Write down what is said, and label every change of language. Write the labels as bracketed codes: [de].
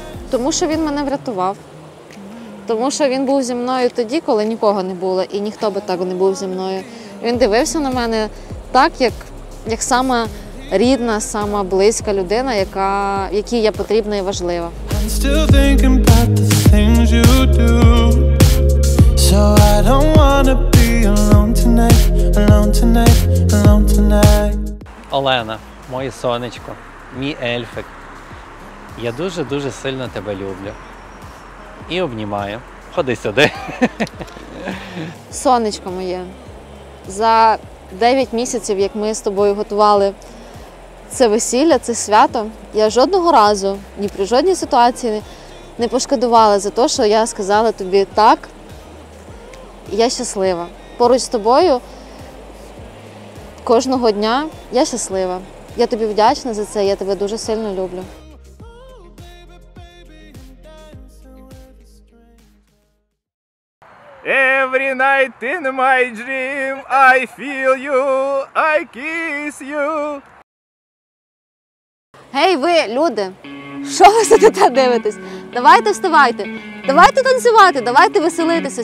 [uk] Тому що він мене врятував. Тому що він був зі мною тоді, коли нікого не було, і ніхто би так не був зі мною. Він дивився на мене так, як сама рідна, сама близька людина, якій я потрібна і важлива. [en] I'm still thinking about the things you do. So I don't wanna be alone tonight, alone tonight. [uk] Олена, моє сонечко, мій ельфик, я дуже-дуже сильно тебе люблю і обнімаю. Ходи сюди. Сонечко моє, за 9 місяців, як ми з тобою готували це весілля, це свято, я жодного разу, ні при жодній ситуації не пошкодувала за те, що я сказала тобі так, я щаслива. Поруч з тобою. Кожного дня я щаслива. Я тобі вдячна за це, я тебе дуже сильно люблю. [en] Every night in my dream I feel you, I kiss you. [uk] Гей, ви, люди, що ви за тебе дивитесь? Давайте вставайте, давайте танцювати, давайте веселитися.